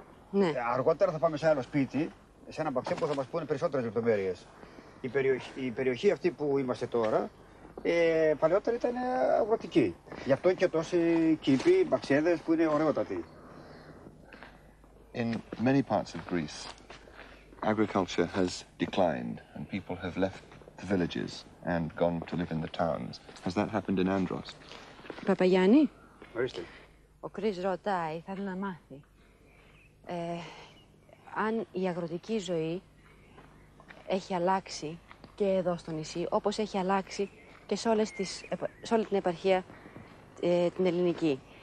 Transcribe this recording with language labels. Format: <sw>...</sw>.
<el>Ναι. Αργότερα θα πάμε σε άλλο σπίτι, σε ένα μπαξί που θα μας πούνε περισσότερες λεπτομέρειες. Η περιοχή αυτή που είμαστε τώρα, παλαιότερα ήταν αγροτική. Γι' αυτό και τόσοι κήποι, μπαξέδες που είναι ωραιότατοι.</el> <en>In many parts of Greece, agriculture has declined and people have left the villages and gone to live in the towns. Has that happened in Andros?</en> <el>Παπαγιάννη. Ορίστε. Ο Κρίς ρωτάει, θέλει να μάθει. Αν η αγροτική ζωή έχει αλλάξει και εδώ στο νησί, όπως έχει αλλάξει και σε όλη την επαρχία την ελληνική.</el>